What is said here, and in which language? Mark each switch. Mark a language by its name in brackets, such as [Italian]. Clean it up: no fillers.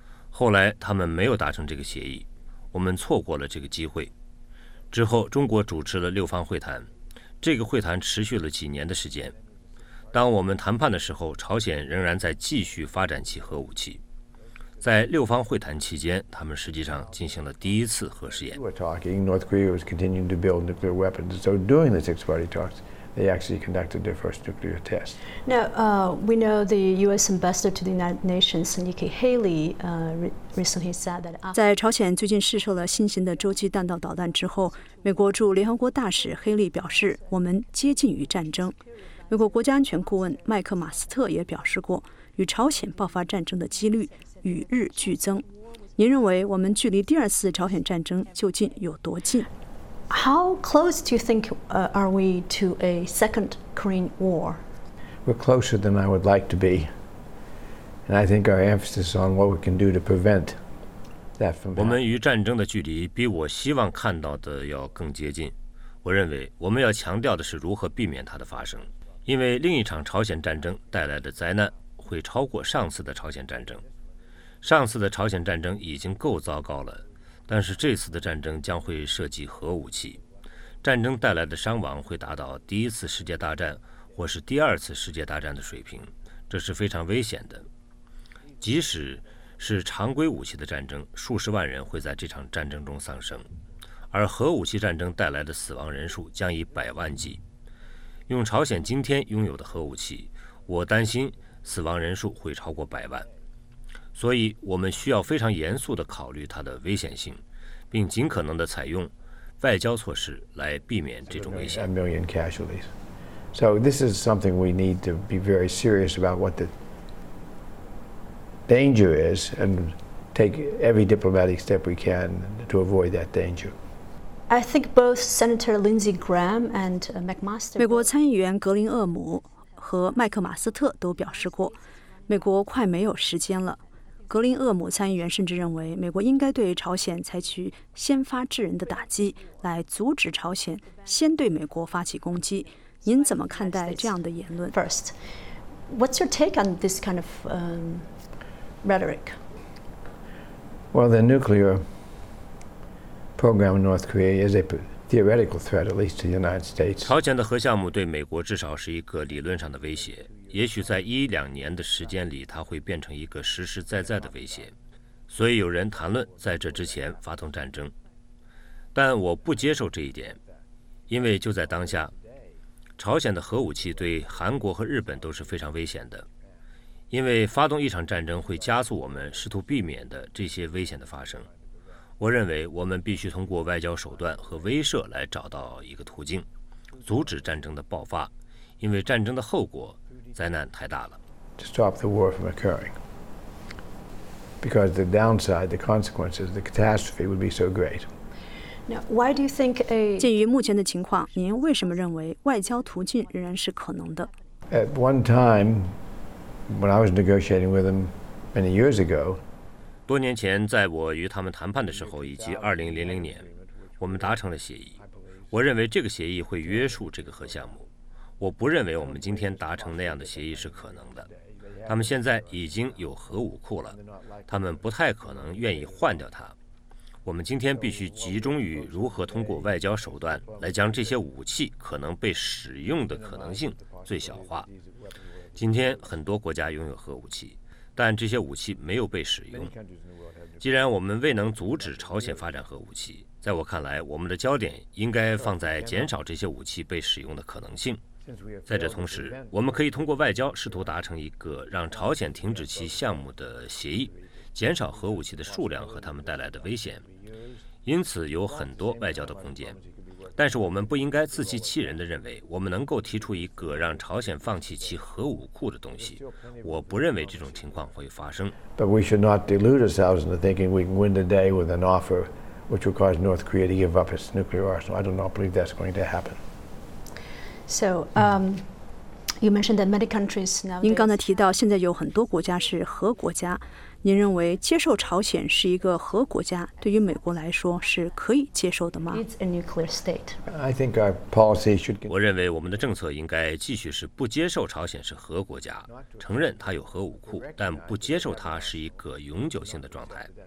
[Chinese] 后来他们没有达成这个协议，我们错过了这个机会。之后中国主持了6方会谈，这个会谈持续了几年的时间。当我们谈判的时候，朝鲜仍然在继续发展其核武器。在6方会谈期间，他们实际上进行了第一次核试验。 [English] We're talking, North Korea was continuing to build nuclear weapons. So during the six-party talks, they actually conducted their first nuclear test. Now, we know the U.S. ambassador to the United Nations, Nikki Haley, recently said that. [Chinese] 在朝鲜最近试射了新型的洲际弹道导弹之后，美国驻联合国大使黑利表示，我们接近于战争。美国国家安全顾问麦克马斯特也表示过，与朝鲜爆发战争的几率与日俱增。您认为我们距离第二次朝鲜战争究竟有多近？ [English] How close do you think are we to a second Korean War? We're closer than I would like to be. And I think our emphasis on what we can do to prevent that from happening. [Chinese] 我们与战争的距离比我希望看到的要更接近。我认为我们要强调的是如何避免它的发生，因为另一场朝鲜战争带来的灾难会超过上次的朝鲜战争。上次的朝鲜战争已经够糟糕了，但是这次的战争将会涉及核武器，战争带来的伤亡会达到第一次世界大战或是第二次世界大战的水平，这是非常危险的。即使是常规武器的战争，数十万人会在这场战争中丧生，而核武器战争带来的死亡人数将以百万计。用朝鲜今天拥有的核武器，我担心死亡人数会超过百万，所以我们需要非常严肃地考虑它的危险性，并尽可能地采用外交措施来避免这种危险。 [English] A million casualties. So this is something we need to be very serious about what the danger is and take every diplomatic step we can to avoid that danger. I think both Senator Lindsey Graham and McMaster. [Chinese] 美国参议员格林厄姆和麦克马斯特都表示过，美国快没有时间了。格林厄姆参议员甚至认为，美国应该对朝鲜采取先发制人的打击，来阻止朝鲜先对美国发起攻击。您怎么看待这样的言论 [English] ？First, what's your take on this kind of rhetoric? Well, the nuclear program in North Korea is a theoretical threat, at least to the United States. [Chinese] 朝鲜的核项目对美国至少是一个理论上的威胁。也许在1-2年的时间里，它会变成一个实实在在的威胁，所以有人谈论在这之前发动战争，但我不接受这一点，因为就在当下，朝鲜的核武器对韩国和日本都是非常危险的，因为发动一场战争会加速我们试图避免的这些危险的发生。我认为我们必须通过外交手段和威慑来找到一个途径，阻止战争的爆发，因为战争的后果灾难太大了。 [English] To stop the war from occurring, because the downside, the consequences, the catastrophe would be so great. Now, why do you think a? [Chinese] 鉴于目前的情况，您为什么认为外交途径仍然是可能的 [English] At one time, when I was negotiating with them many years ago, [Chinese] 多年前，在我与他们谈判的时候，以及2000年，我们达成了协议。我认为这个协议会约束这个核项目。我不认为我们今天达成那样的协议是可能的。他们现在已经有核武库了，他们不太可能愿意换掉它。我们今天必须集中于如何通过外交手段来将这些武器可能被使用的可能性最小化。今天很多国家拥有核武器，但这些武器没有被使用。既然我们未能阻止朝鲜发展核武器，在我看来，我们的焦点应该放在减少这些武器被使用的可能性。在这同时，我们可以通过外交试图达成一个让朝鲜停止其项目的协议，减少核武器的数量和他们带来的危险。因此有很多外交的空间。但是我们不应该自欺欺人地认为我们能够提出一个让朝鲜放弃其核武库的东西。我不认为这种情况会发生。 [English] But we should not delude ourselves into thinking we can win the day with an offer which will cause North Korea to give up its nuclear arsenal. I do not believe that's going to happen. So, you mentioned that many countries now. [Chinese] 您刚才提到现在有很多国家是核国家。您认为接受朝鲜是一个核国家，对于美国来说是可以接受的吗？ [English] It's a nuclear state. I think our policy should. [Chinese] 我认为我们的政策应该继续是不接受朝鲜是核国家，承认它有核武库，但不接受它是一个永久性的状态。